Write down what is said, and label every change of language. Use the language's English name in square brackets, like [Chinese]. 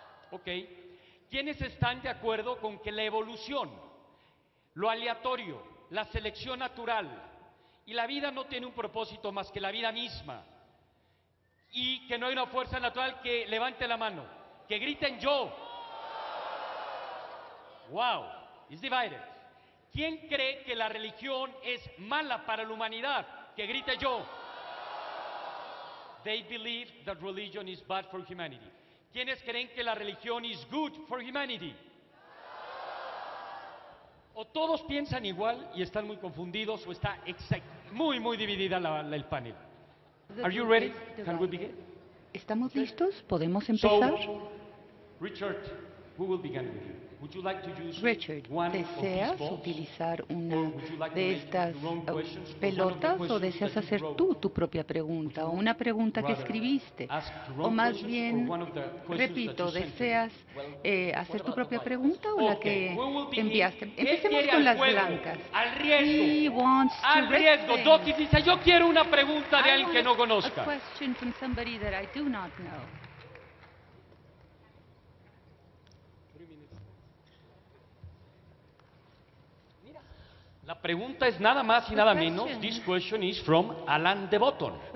[Spanish] Ok. ¿Quiénes están de acuerdo con que la evolución, lo aleatorio, la selección natural y la vida no tiene un propósito más que la vida misma y que no hay una fuerza natural, que levante la mano, que griten yo? [English] Wow, it's divided. [Spanish] ¿Quién cree que la religión es mala para la humanidad? Que grite yo. [English] They believe that religion is bad for humanity. [Spanish] ¿Quiénes creen que la religión [English] is good for humanity? [Spanish] O todos piensan igual y están muy confundidos, o está muy, muy dividida el panel. [English] Are you ready? Can we begin? [Spanish] ¿Estamos listos? ¿Podemos empezar? [English] Richard, we will begin with you. Would you like to use Richard, one [Spanish] ¿deseas [English] of these [Spanish] utilizar una de estas pelotas o deseas hacer tú tu propia pregunta o una pregunta que escribiste? O más bien, repito, ¿deseas hacer tu propia pregunta o la que enviaste? Empecemos con las blancas. Al riesgo. [English] He wants to [Spanish] al riesgo. Doki dice, yo quiero una pregunta de alguien que no conozca. [English] A question from somebody that I do not know. [Spanish] La pregunta es nada más y nada menos. [English] This question is from Alan de Botton.